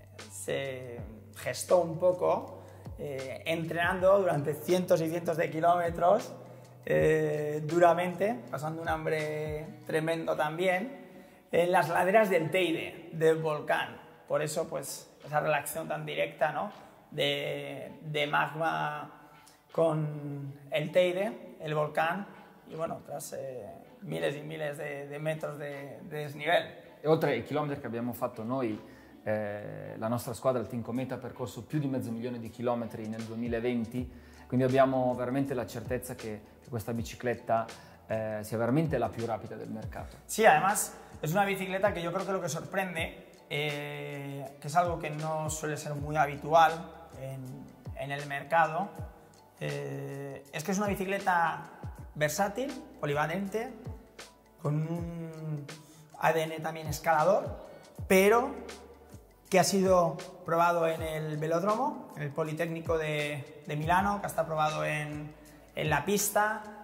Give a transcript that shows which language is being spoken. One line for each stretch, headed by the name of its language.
Spanish: Se gestó un poco entrenando durante cientos y cientos de kilómetros duramente, pasando un hambre tremendo también, en las laderas del Teide, del volcán. Por eso, pues, esa relación tan directa, ¿no?, de magma con el Teide, el volcán, y bueno, tras miles y miles de metros de desnivel.
Italian: E oltre ai chilometri che abbiamo fatto noi, la nostra squadra, il Team Cometa, ha percorso più di 500.000 di chilometri nel 2020, quindi abbiamo veramente la certezza che questa bicicletta, sia veramente la più rapida del mercato.
Spanish: Sí, además es una bicicleta que yo creo que lo que sorprende, que es algo que no suele ser muy habitual en el mercado, es que es una bicicleta versátil, polivalente, con un ADN también escalador, pero que ha sido probado en el velódromo, en el Politécnico de Milano, que está probado en la pista.